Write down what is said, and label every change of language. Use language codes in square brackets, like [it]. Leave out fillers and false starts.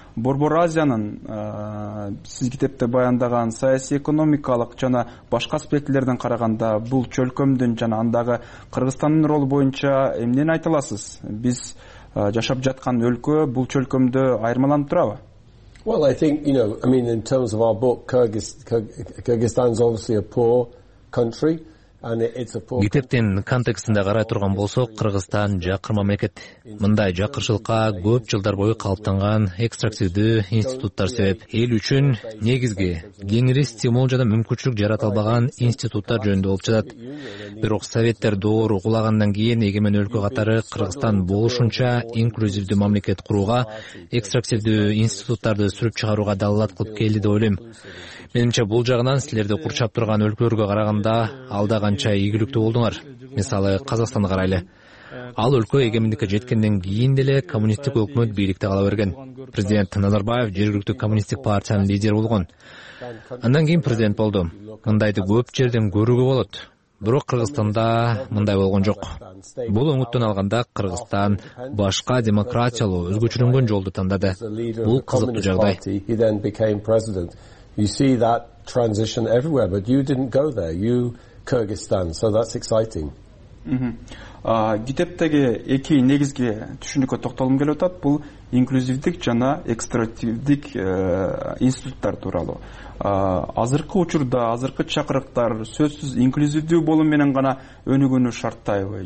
[ky] Борбор Азиянын сиз китепте баяндаган саясий, экономикалык жана башка аспектилерден караганда бул чөлкөмдүн жана андагы Кыргызстандын ролу боюнча эмнени айта аласыз? Биз жашап жаткан өлкө бул чөлкөмдө айырмаланып турабы? [en] Well, I think, you know, I mean in terms of our book, Kyrgyzstan's obviously a poor country and it's a poor [ky] китептин контекстинде карай турган болсок, Кыргызстан жакыр мамлекет. Мындай жакырчылыкка көп жылдар бою калыптанган экстрактивдүү институттар себеп. Эл үчүн негизги кеңири стимул жана мүмкүнчүлүк жарата албаган институттар жөнүндө болуп жатат. Бирок советтер доору кулагандан кийин эгемен өлкө катары Кыргызстан болушунча инклюзивдүү мамлекет курууга, экстрактивдүү институттарды сүрүп чыгарууга далалат кылып келди деп ойлойм. Менимче бул жагынан силерди курчап турган өлкөлөргө караганда алда канча ийгиликтүү болдуңар. Мисалы Казакстанды карайлы. Ал өлкө эгемендикке жеткенден кийин деле коммунисттик өкмөт бийликте кала берген. Президент Назарбаев жергиликтүү коммунисттик партиянын лидери болгон. Андан кийин президент болду. Мындайды көп жерден көрүүгө болот. Бирок Кыргызстанда мындай болгон жок. Бул өңүттөн алганда Кыргызстан башка демократиялуу өзгөчөлөнгөн жолду тандады. Бул кызыктуу жагдай. [en] You see that transition everywhere, but you didn't go there. You, Kyrgyzstan. So that's exciting. [ky] Китептеги эки негизги түшүнүккө токтолгум келип атат. Бул инклюзивдик жана экстрактивдик институттар тууралуу. Азыркы учурда, азыркы чакырыктар сөзсүз инклюзивдүү болуу менен гана өнүгүүнү шарттайбы?